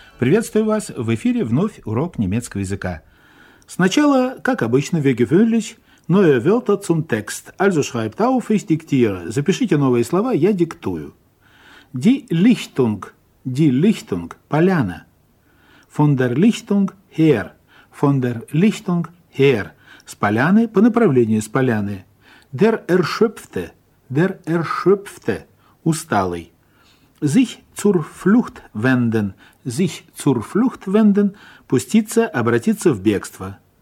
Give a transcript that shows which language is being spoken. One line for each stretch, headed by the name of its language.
Russian: Приветствую вас в эфире вновь урок немецкого языка. Сначала, как обычно,
German: wie gewöhnlich, neue Wörter zum Text. Also schreibt auf, ich diktiere.
Russian: Запишите новые слова, я диктую.
German: Die Lichtung,
Russian: поляна.
German: Von der Lichtung her,
Russian: с поляны по направлению с поляны.
German: Der Erschöpfte,
Russian: усталый.
German: Sich zur Flucht wenden,
Russian: пуститься, обратиться в бегство.